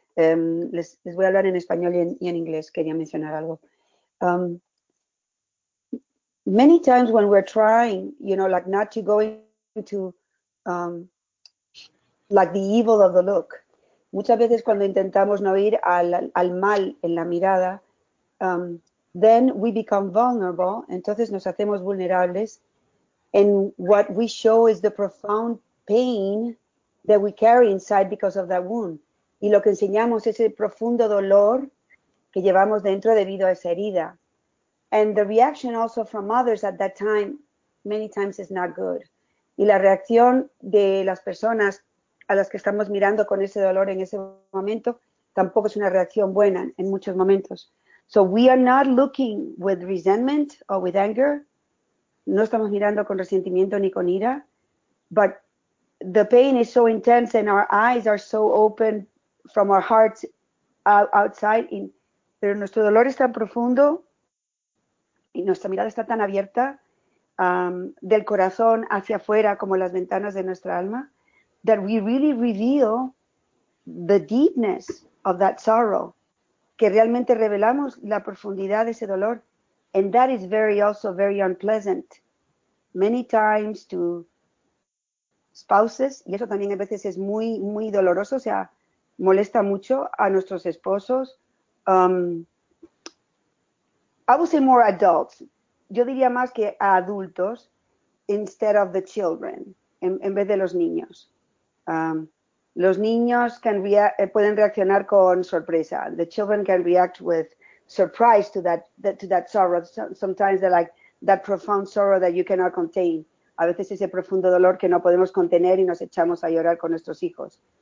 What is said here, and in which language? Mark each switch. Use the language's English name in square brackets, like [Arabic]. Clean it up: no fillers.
[Spanish] Les voy a hablar en español y en inglés. Quería mencionar algo. [English] Many times when we're trying, you know, like not to go into like the evil of the look. [Spanish] Muchas veces cuando intentamos no ir al mal en la mirada, [English] then we become vulnerable. [Spanish] Entonces nos hacemos vulnerables. [English] And what we show is the profound pain that we carry inside because of that wound. [Spanish] Y lo que enseñamos es el profundo dolor que llevamos dentro debido a esa herida. [English] And the reaction also from others at that time, many times is not good. [Spanish] Y la reacción de las personas a las que estamos mirando con ese dolor en ese momento, tampoco es una reacción buena en muchos momentos. [English] So we are not looking with resentment or with anger. [Spanish] No estamos mirando con resentimiento ni con ira. [English] But the pain is so intense and our eyes are so open from our hearts outside. [Spanish] Pero nuestro dolor es tan profundo y nuestra mirada está tan abierta del corazón hacia afuera como las ventanas de nuestra alma, [English] that we really reveal the deepness of that sorrow, [Spanish] que realmente revelamos la profundidad de ese dolor. [English] And that is very also very unpleasant. Many times to spouses, [Spanish] y eso también a veces es muy, muy doloroso, o sea, molesta mucho a nuestros esposos. [English] I would say more adults. [Spanish] Yo diría más que a adultos [English] instead of the children, [Spanish] en vez de los niños. Los niños pueden reaccionar con sorpresa. [English] The children can react with surprise to that sorrow. Sometimes they're like that profound sorrow that you cannot contain. [Spanish] A veces ese profundo dolor que no podemos contener y nos echamos a llorar con nuestros hijos.